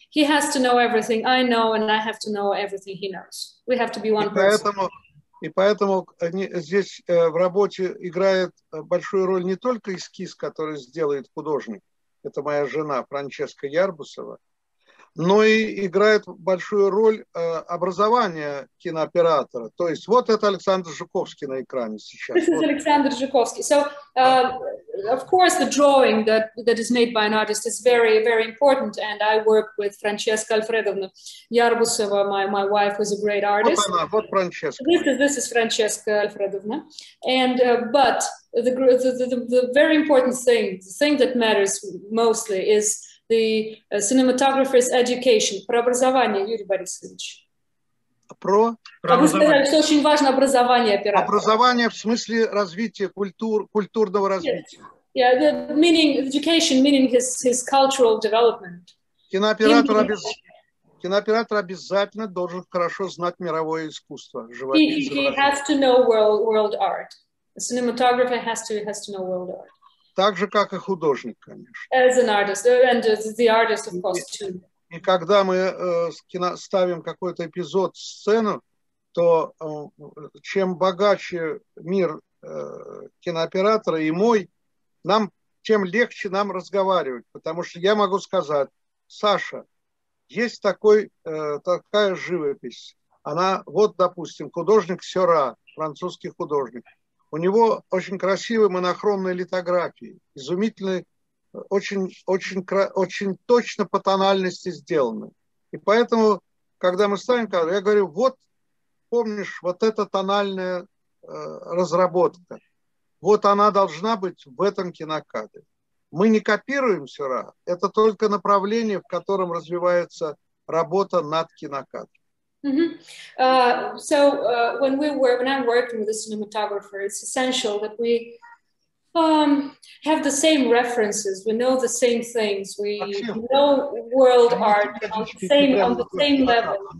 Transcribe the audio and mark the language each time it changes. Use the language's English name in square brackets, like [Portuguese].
[English] He has to know everything I know, and I have to know everything he knows. We have to be one person. [Russian] И поэтому здесь в работе играет большую роль не только эскиз, который сделает художник. Это моя жена Франческа Ярбусова. Но и играет большую роль образование кинооператора. То есть вот это Александр Жуковский на экране сейчас. [English] This is Александр Жуковский. So, of course, the drawing that is made by an artist is very, very important. And I work with Франческа Альфредовна Ярбусова. My wife was a great artist. [Russian] Вот она, вот Франческа. [English] This is Франческа Альфредовна. And, but the very important thing, the thing that matters mostly is the cinematographer's education. [Russian] Про образование, Юрий Борисович. Про вы сказали, что очень важно образование оператора. Образование в смысле развития, культурного развития. [English] Yeah, the meaning, education, meaning his cultural development. [Russian] Кинооператор обязательно должен хорошо знать мировое искусство, живопись. [English] He has to know world art. Cinematographer has to know world art. [Russian] Так же, как и художник, конечно. [English] As an artist, and the artist, of course, too. [Russian] И когда мы ставим какой-то эпизод, сцену, то чем богаче мир кинооператора и мой, нам тем легче нам разговаривать, потому что я могу сказать: Саша, есть такая живопись. Она, вот, допустим, художник Сёра, французский художник. У него очень красивые монохромные литографии, изумительные, очень точно по тональности сделаны. И поэтому, когда мы ставим кадр, я говорю: вот, помнишь, вот эта тональная разработка, вот она должна быть в этом кинокадре. Мы не копируем Сёра, это только направление, в котором развивается работа над кинокадром. [English] When I'm working with a cinematographer, it's essential that we have the same references, we know the same things, we know world art on the same level.